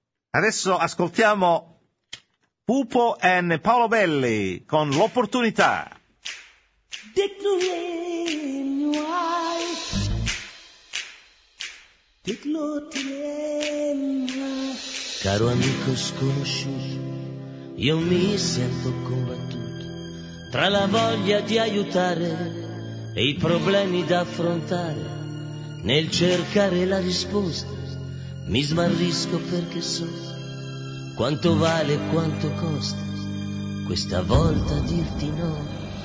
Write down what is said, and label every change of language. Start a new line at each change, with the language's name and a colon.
Italian: Adesso ascoltiamo Pupo e Paolo Belli con L'opportunità.
French: Dites-le moi. Dites-le moi.
Italian: caro amico sconosciuto, io mi sento combattuto tra la voglia di aiutare e i problemi da affrontare. Nel cercare la risposta mi smarrisco, perché so quanto vale e quanto costa questa volta dirti no.